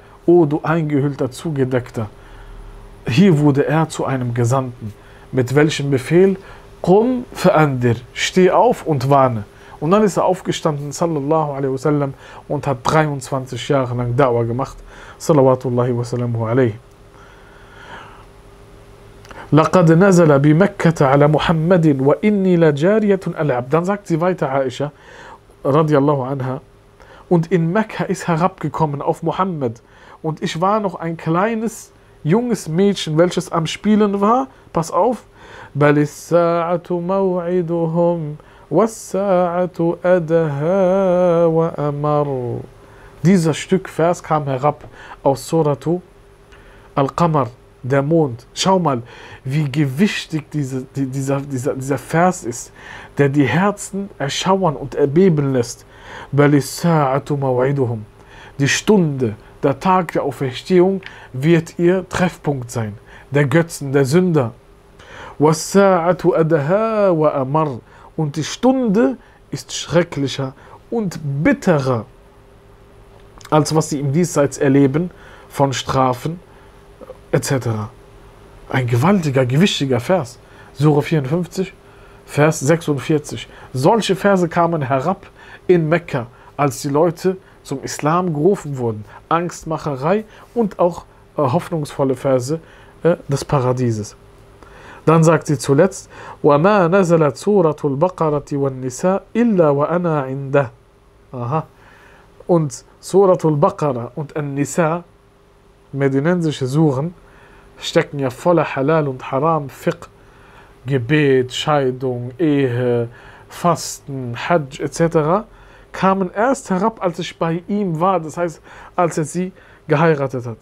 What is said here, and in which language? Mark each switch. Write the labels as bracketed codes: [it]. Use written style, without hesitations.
[de] O du eingehüllter Zugedeckter. Hier wurde er zu einem Gesandten. Mit welchem Befehl? Qum fa'andir, steh auf und warne. Und dann ist er aufgestanden, sallallahu alaihi wasallam, und hat 23 Jahre lang Da'wah gemacht, sallallahu wasallamu alaihi. [ar] لقد نزل بمكة على محمد وإني لجارية ألعب. [de] Dann sagt sie weiter, Aisha, [ar] رضي الله عنها, [de] und in Mekka ist herabgekommen auf Muhammad, und ich war noch ein kleines, junges Mädchen, welches am Spielen war. Pass auf. [ar] بل الساعة موعدهم والساعة أدهى وأمر. [de] Dieses Stück Vers kam herab aus Suratu Al-Qamar. Der Mond. Schau mal, wie gewichtig dieser Vers ist, der die Herzen erschauern und erbeben lässt. Die Stunde, der Tag der Auferstehung wird ihr Treffpunkt sein, der Götzen, der Sünder. Und die Stunde ist schrecklicher und bitterer, als was sie im Diesseits erleben von Strafen etc. Ein gewaltiger, gewichtiger Vers. Sure 54, Vers 46. Solche Verse kamen herab in Mekka, als die Leute zum Islam gerufen wurden. Angstmacherei und auch hoffnungsvolle Verse des Paradieses. Dann sagt sie zuletzt, [ar] وَمَا نَزَلَتْ سُورَةُ الْبَقَرَةِ وَالنِّسَاءِ إِلَّا وَأَنَا عِنْدَهِ. [de] Aha. Und Suratul Baqara und An-Nisa, medinensische Suren, stecken ja voller Halal und Haram, Fiqh, Gebet, Scheidung, Ehe, Fasten, Hajj etc. kamen erst herab, als ich bei ihm war, das heißt, als er sie geheiratet hat.